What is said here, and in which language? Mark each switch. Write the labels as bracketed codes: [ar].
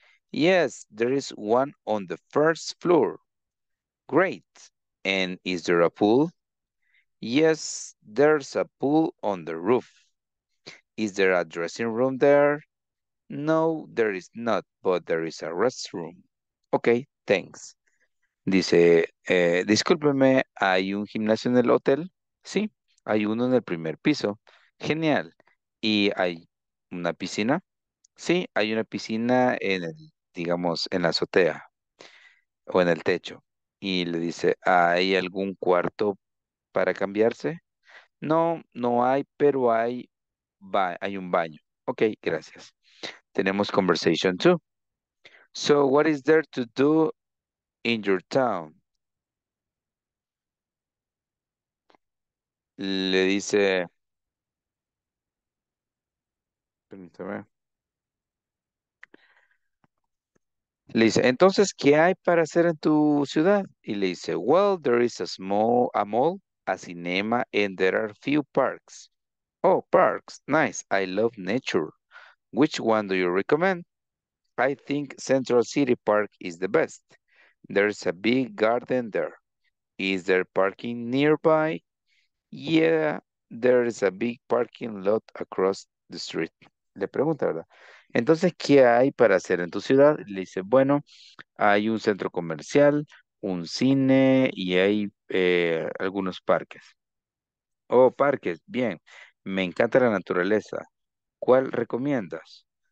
[en] Yes, there is one on the first floor. Great. And is there a pool? Yes, there's a pool on the roof. Is there a dressing room there? No, there is not, but there is a restroom. Ok, thanks. [es] Dice, discúlpeme, ¿hay un gimnasio en el hotel? Sí, hay uno en el primer piso. Genial. ¿Y hay una piscina? Sí, hay una piscina digamos, en la azotea o en el techo. Y le dice, ¿hay algún cuarto para cambiarse? No, no hay, pero hay un baño. Ok, gracias. Tenemos [en] conversation 2. So, what is there to do in your town? [es] le dice, permítame, le dice, entonces, ¿qué hay para hacer en tu ciudad? Y le dice, [en] well, there is a mall, a cinema, and there are few parks. Oh, parks, nice, I love nature. Which one do you recommend? I think Central City Park is the best. There's a big garden there. Is there parking nearby? Yeah, there is a big parking lot across the street. [es] Le pregunta, ¿verdad? Entonces, ¿qué hay para hacer en tu ciudad? Le dice, bueno, hay un centro comercial, un cine y hay algunos parques. Oh, parques, bien. Me encanta la naturaleza. ¿Cuál recomiendas?